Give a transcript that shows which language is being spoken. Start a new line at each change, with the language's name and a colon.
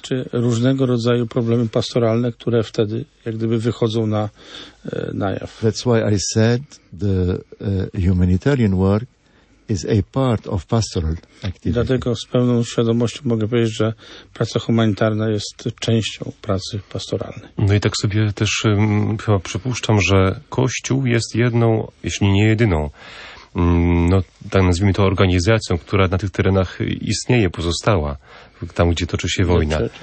Polish: Czy różnego rodzaju problemy pastoralne, które wtedy jak gdyby wychodzą na jaw.
English: That's why I said the humanitarian work is a part of pastoral activity.
Polish: Dlatego z pełną świadomością mogę powiedzieć, że praca humanitarna jest częścią pracy pastoralnej. No i tak sobie też chyba przypuszczam, że Kościół jest jedną, jeśli nie jedyną, no tak nazwijmy to organizacją, która na tych terenach istnieje, pozostała, tam gdzie toczy się wojna.